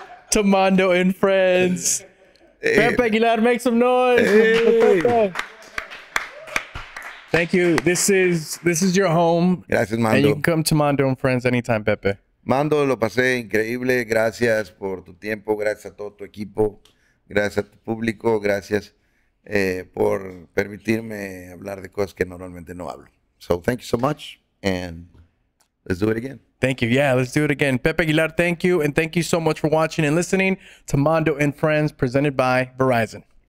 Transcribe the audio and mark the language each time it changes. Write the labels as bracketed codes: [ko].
[en] To Mando and Friends. Hey. Pepe Aguilar, make some noise. Hey. Thank you. This is your home. [es] Gracias, Mando. [en] And you can come to Mando and Friends anytime, Pepe. [es] Mando, lo pasé increíble. Gracias por tu tiempo. Gracias a todo tu equipo. Gracias a tu público, gracias por permitirme hablar de cosas que normalmente no hablo. [en] So thank you so much, and let's do it again. Thank you. Yeah, let's do it again. Pepe Aguilar, thank you, and thank you so much for watching and listening to Mando and Friends, presented by Verizon.